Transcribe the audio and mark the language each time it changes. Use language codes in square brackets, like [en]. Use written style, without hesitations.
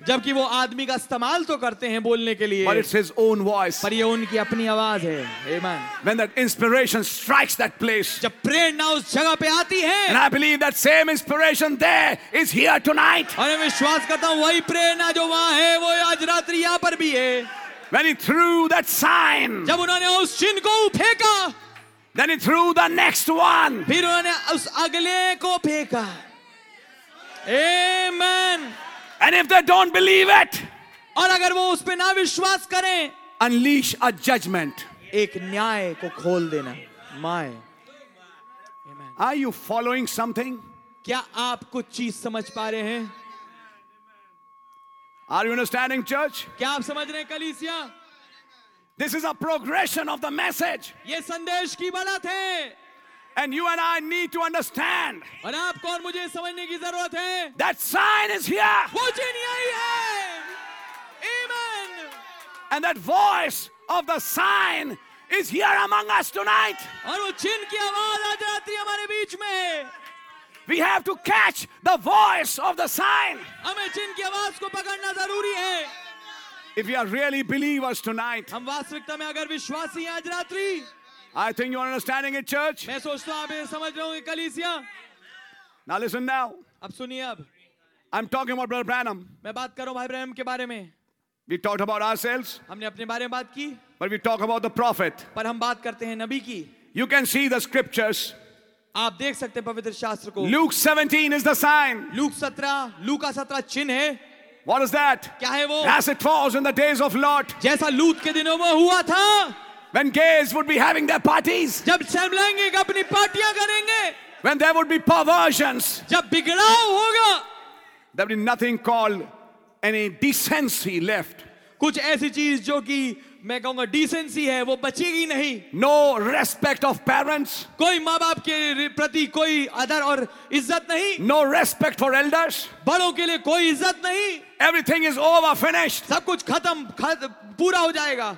[hi] जबकि वो आदमी का इस्तेमाल तो करते हैं बोलने के लिए. [en] But it's his own voice. [hi] पर ये उनकी अपनी आवाज है. [en] Amen. When that inspiration strikes that place. [hi] जब प्रेरणा उस जगह पे आती है. [en] And I believe that same inspiration there is here tonight. [hi] और मैं विश्वास करता हूँ वही प्रेरणा जो वहाँ है वो आज रात्रि यहाँ पर भी है. [en] When he threw that sign. [hi] जब उन्होंने उस चिन्ह को फेंका. [en] Then he threw the next one. [hi] फिर उन्होंने उस अगले को फेंका. [en] Amen. And if they don't believe it. [hi] और अगर वो उस पे ना विश्वास करें. [en] Unleash a judgment. [hi] एक न्याय को खोल देना. [en] My. Amen. Are you following something? [hi] क्या आप कुछ चीज समझ पा रहे हैं? [en] Are you understanding, church? [hi] क्या आप समझ रहे हैं कलीसिया? [en] This is a progression of the message. [hi] ये संदेश की बढ़त है. [en] And you and I need to understand. [hi] और आपको और मुझे समझने की जरूरत है. [en] That sign is here. [hi] वो चिन्ह यही है. [en] Amen. And that voice of the sign is here among us tonight. [hi] और वो चिन्ह की आवाज आज रात्रि हमारे बीच में है. [en] We have to catch the voice of the sign. [hi] हमें चिन्ह की आवाज को पकड़ना जरूरी है. [en] If you are really believers tonight, [hi] हम वास्तविकता में अगर विश्वासी हैं आज रात्रि. [en] I think you are understanding it, church. [hi] मैं सोचता हूँ आप ये समझ रहे होंगे कलीसिया. [en] Now listen now. [hi] अब सुनिए अब. [en] I'm talking about Brother Branham. [hi] मैं बात कर रहा हूँ भाई ब्रैनम के बारे में. [en] We talked about ourselves. [hi] हमने अपने बारे में बात की. [en] But we talk about the prophet. [hi] पर हम बात करते हैं नबी की. [en] You can see the scriptures. [hi] आप देख सकते हैं पवित्र शास्त्र को. [en] Luke 17 is the sign. [hi] लूका 17 चिन्ह है. [en] What is that? [hi] क्या है वो? [en] As it was in the days of Lot. [hi] जैसा लूत के दिनों में हुआ था. [en] When gays would be having their parties. [hi] जब शर्मलाएंगे अपनी पार्टियां करेंगे. [en] When there would be perversions. [hi] जब बिगड़ाव होगा. [en] There would be nothing called any decency left. [hi] कुछ ऐसी चीज जो कि मैं कहूंगा डिसेंसी है वो बचेगी नहीं. [en] No respect of parents. [hi] कोई माँ बाप के प्रति कोई आदर और इज्जत नहीं. [en] No respect for elders. [hi] बड़ों के लिए कोई इज्जत नहीं. [en] Everything is over finished. [hi] सब कुछ खत्म पूरा हो जाएगा.